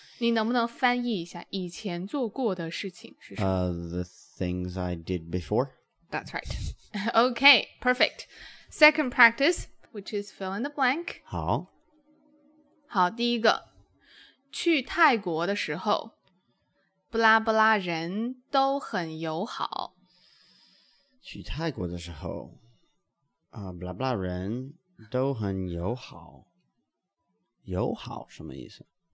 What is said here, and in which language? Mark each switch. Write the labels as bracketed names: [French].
[Chinese] 你能不能翻译一下以前做过的事情是什么 [English] ？The things I did before。 That's right. Okay, perfect. Second practice, which is fill in the blank. [Chinese] 好。好，第一个。去泰国的时候，布拉布拉人都很友好。去泰国的时候，布拉布拉人都很友好。友好什么意思？